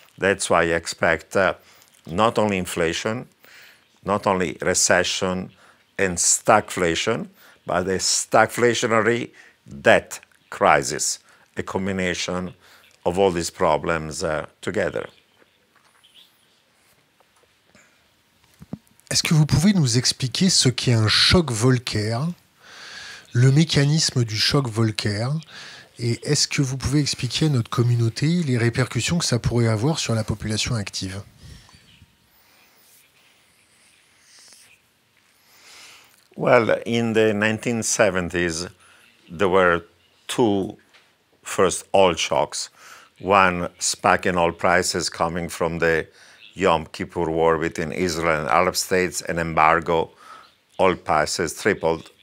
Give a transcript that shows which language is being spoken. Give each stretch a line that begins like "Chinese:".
English: That's why I expect not only inflation, not only recession and stagflation, but a stagflationary debt crisis, a combination of all these problems together.
French: Est-ce que vous pouvez nous expliquer ce qu'est un choc volcaire, le mécanisme du choc volcaire, et est-ce que vous pouvez expliquer à notre communauté les répercussions que ça pourrait avoir sur la population active?
English: Well, in the 1970s, there were two first oil shocks. One spike in oil prices coming from the Yom Kippur War between Israel and Arab states, an embargo, oil prices tripled.